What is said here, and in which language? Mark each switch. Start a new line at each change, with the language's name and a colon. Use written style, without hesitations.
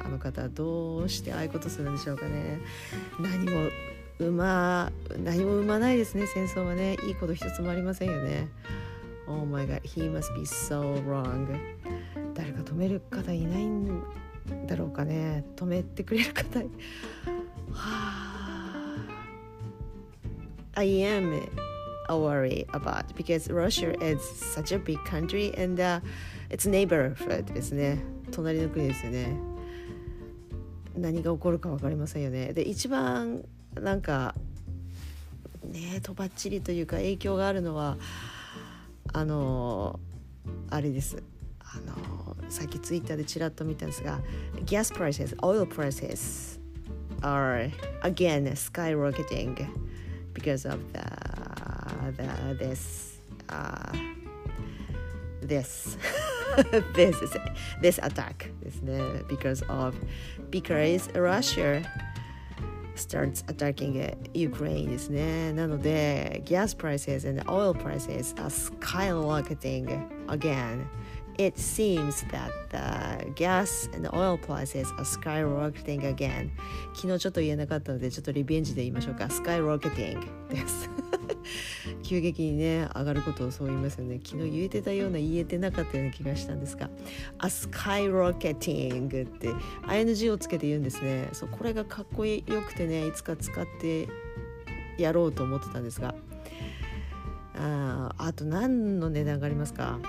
Japanese: あの方どうしてああいうことするんでしょうかね。何も生まないですね。戦争はね、いいこと一つもありませんよね。
English: Oh my God, he must be so wrong.
Japanese: 誰か止める方いないんだろうかね。止めてくれる方。
English: I am worried about because Russia is such a big country and it's neighborhood
Japanese: ですね。隣の国ですよね。何が起こるか分かりませんよね。で、一番なんかね、とばっちりというか影響があるのはあれです。さっきツイッターでチラッと見たんですが、
English: Gas prices, oil prices are again skyrocketing. Because of this attack
Japanese: ですね。
English: Because Russia starts attacking Ukraine
Japanese: ですね。なので、
English: gas prices and oil prices are skyrocketing again. It seems that the gas and oil prices are skyrocketing again.
Japanese: 昨日ちょっと言えなかったので、ちょっとリベンジで言いましょうか。
English: Skyrocketing.
Japanese: です急激にね上がることをそう言いますよね。昨日言えてたような言えてなかったような気がしたんですが、A skyrocketing って ING をつけて言うんですね。そう、これがかっこよくてね、いつか使ってやろうと思ってたんですが、 あと何の値段が上がりますか。